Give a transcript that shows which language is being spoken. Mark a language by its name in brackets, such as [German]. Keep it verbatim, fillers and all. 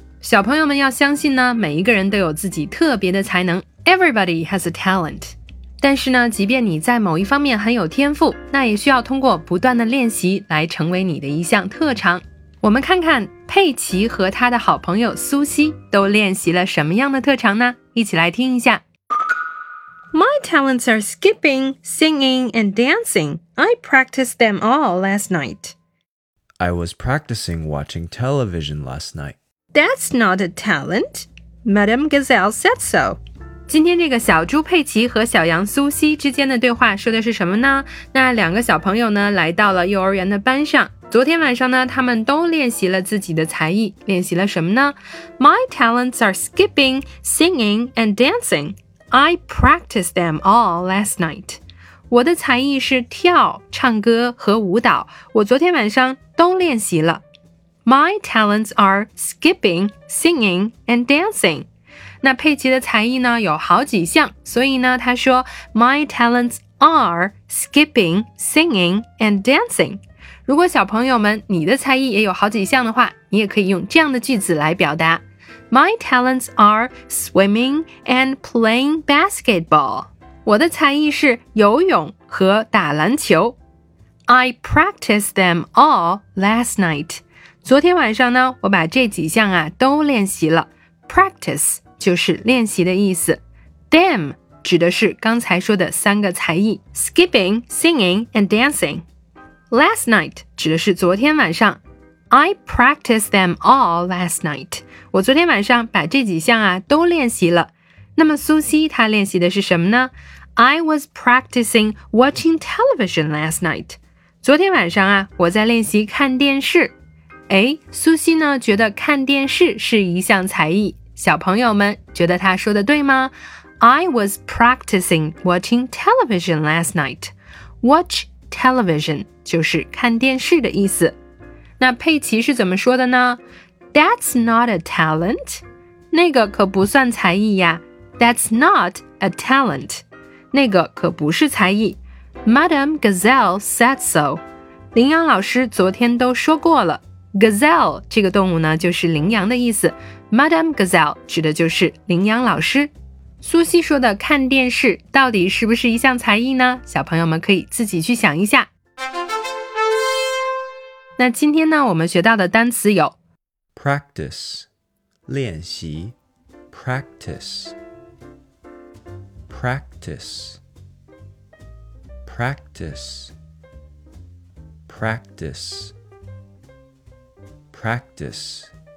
[Chinese] 小朋友们要相信呢，每一个人都有自己特别的才能 [English] Everybody has a talent. [Chinese] 但是呢，即便你在某一方面很有天赋，那也需要通过不断的练习来成为你的一项特长。我们看看佩奇和他的好朋友苏西都练习了什么样的特长呢？一起来听一下。 [English] My talents are skipping, singing, and dancing. I practiced them all last night. I was practicing watching television last night. That's not a talent. Madame Gazelle said so. [Chinese] 今天这个小猪佩奇和小羊苏西之间的对话说的是什么呢？那两个小朋友呢，来到了幼儿园的班上。昨天晚上呢，他们都练习了自己的才艺。练习了什么呢？ [English] My talents are skipping, singing, and dancing. I practiced them all last night. [Chinese] 我的才艺是跳、唱歌和舞蹈，我昨天晚上都练习了。 [English] My talents are skipping, singing, and dancing. [Chinese] 那佩奇的才艺呢，有好几项，所以呢，他说 [English] My talents are skipping, singing, and dancing. [Chinese] 如果小朋友们，你的才艺也有好几项的话，你也可以用这样的句子来表达。 [English] My talents are swimming and playing basketball. [Chinese] 我的才艺是游泳和打篮球。 [English] I practiced them all last night. [Chinese] 昨天晚上呢，我把这几项啊都练习了。 Practice 就是练习的意思。Them 指的是刚才说的三个才艺 [English] Skipping, singing and dancing. [Chinese] Last night 指的是昨天晚上。 [English] I practiced them all last night. [Chinese] 我昨天晚上把这几项啊都练习了。那么苏西她练习的是什么呢？ [English] I was practicing watching television last night. [Chinese] 昨天晚上啊，我在练习看电视。诶，苏西呢，觉得看电视是一项才艺。小朋友们，觉得她说的对吗？ [English] I was practicing watching television last night. [Chinese] Watch television 就是看电视的意思。那佩奇是怎么说的呢？ [English] That's not a talent. [Chinese] 那个可不算才艺呀。 [English] That's not a talent. [Chinese] 那个可不是才艺。 [English] Madame Gazelle said so. [Chinese] 羚羊老师昨天都说过了。Gazelle 这个动物呢，就是羚羊的意思。 Madame Gazelle 指的就是羚羊老师。苏西说的看电视到底是不是一项才艺呢？小朋友们可以自己去想一下。那今天呢，我们学到的单词有 [English] practice 练习 practice practice practice practice practice